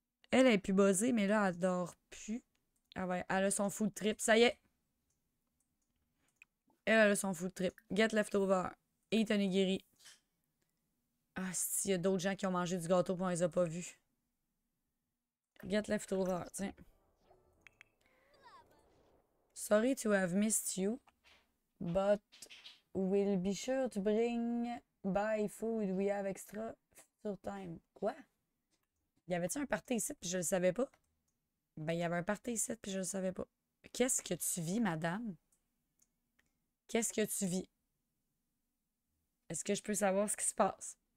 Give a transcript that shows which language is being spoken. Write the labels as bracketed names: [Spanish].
[French] Elle est plus buzzée, mais là, elle dort plus. Elle a son food trip. Ça y est! Elle a son food trip. [English] Get leftover. Eat [French] un onigiri. Ah, s'il y a d'autres gens qui ont mangé du gâteau pis on les a pas vus. [English] Get leftover, [French] tiens. [English] Sorry to have missed you, but we'll be sure to bring by food we have extra for time. [French] Quoi? Y avait-tu un party ici puis je le savais pas? Ben, il y avait un party ici puis je le savais pas. Qu'est-ce que tu vis, madame? Qu'est-ce que tu vis? Est-ce que je peux savoir ce qui se passe?